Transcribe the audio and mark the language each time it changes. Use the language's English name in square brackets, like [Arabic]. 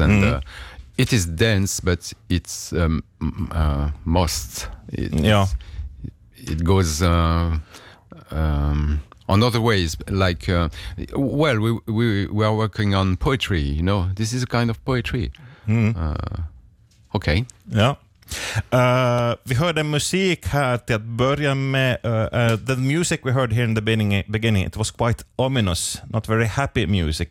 [English] And it is dense, but it's most... Yeah. it goes on other ways. Like, well, we are working on poetry. You know, this is a kind of poetry. Mm. Okay. Yeah. [Swedish] Vi hörde musik här till att börja med. [English] The music we heard here in the beginning, it was quite ominous, not very happy music.